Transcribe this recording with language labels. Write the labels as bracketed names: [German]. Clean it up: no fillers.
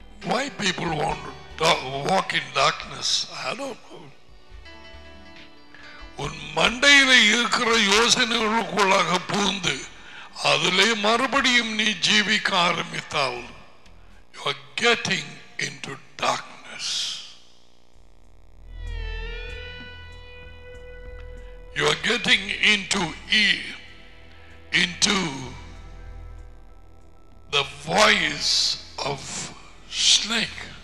[English] Why people want to walk in darkness? I don't know. [Tamil] உன் மண்டையில இருக்கிற யோசனைகளுக்குள்ளாக பூந்து அதிலே மறுபடியும் நீ ஜீவிக்க ஆரம்பித்தால் [English] you are getting into darkness. You are getting into the voice of snake.